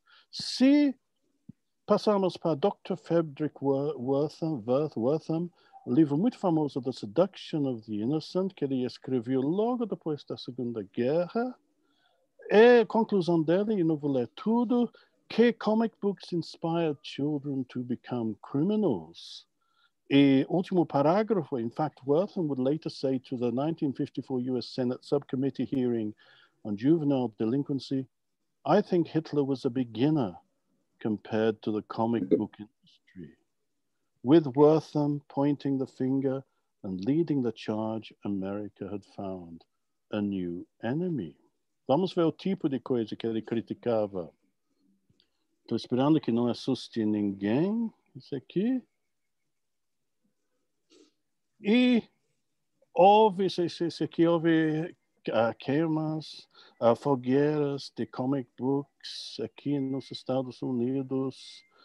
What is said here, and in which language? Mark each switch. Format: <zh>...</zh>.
<pt>Se passarmos para Dr. Frederick Wortham, livro muito famoso, The Seduction of the Innocent, que ele escreveu logo depois da Segunda Guerra, é a conclusão dele, e não vou ler tudo, que</pt> <en>comic books inspire children to become criminals.</en> <pt>E último parágrafo,</pt> <en>in fact, Wortham would later say to the 1954 US Senate Subcommittee hearing on juvenile delinquency, I think Hitler was a beginner compared to the comic book industry, with Wortham pointing the finger and leading the charge, America had found a new enemy.</en> <pt>Vamos ver o tipo de coisa que ele criticava. Estou esperando que não assuste ninguém, isso aqui. E houve, isso aqui, houve queimas, fogueiras de comic books aqui nos Estados Unidos.</pt>